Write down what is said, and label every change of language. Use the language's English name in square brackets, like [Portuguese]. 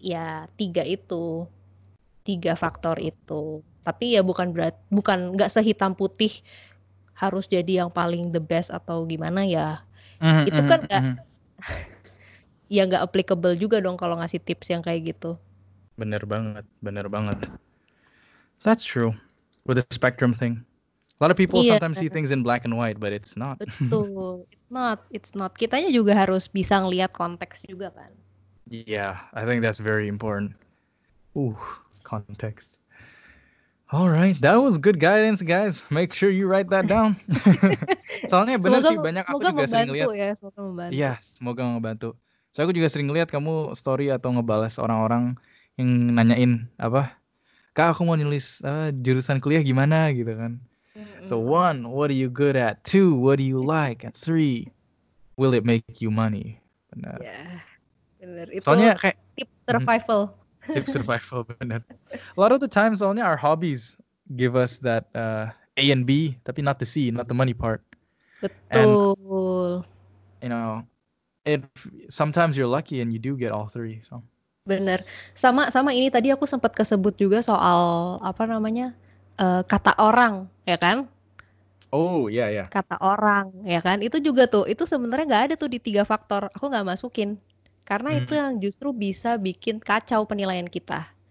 [Indonesian] Ya tiga itu, tiga faktor itu. Tapi ya bukan berat, bukan nggak sehitam putih harus jadi yang paling the best atau gimana ya, itu kan nggak ya nggak applicable juga dong kalau ngasih tips yang kayak gitu. Bener banget, bener banget. [English] That's true. With the spectrum thing. A lot of people [Indonesian] Iya. [English] sometimes see things in black and white, but it's not. [Indonesian] Betul. [English] It's not. [Indonesian] Kitanya juga harus bisa ngelihat konteks juga kan. [English] Yeah, I think that's very important. Ooh, context. All right, that was good guidance, guys. Make sure you write that down. [Indonesian] Soalnya benar sih, banyak aku semoga juga sering membantu lihat. Ya, semoga membantu. Yeah, semoga ngebantu. So aku juga sering lihat kamu story atau ngebales orang-orang yang nanyain apa, kak aku mau nulis jurusan kuliah gimana gitu kan. [English] So one, what are you good at? Two, what do you like? And three, will it make you money? [Indonesian] Benar. Ya, benar. Itu soalnya kayak tip survival. Tip survival, benar. [English] A lot of the times [Indonesian] soalnya [English] our hobbies give us that A and B, [Indonesian] tapi [English] not the C, not the money part. [Indonesian] Betul. [English] And, you know, if sometimes you're lucky and you do get all three. So. [Indonesian] Benar. Sama-sama ini tadi aku sempat kesebut juga soal apa namanya? Kata orang, ya kan? Oh, ya, yeah, ya. Yeah. Kata orang, ya kan? Itu juga tuh, itu sebenarnya nggak ada tuh di tiga faktor. Aku nggak masukin. Karena itu yang justru bisa bikin kacau penilaian kita.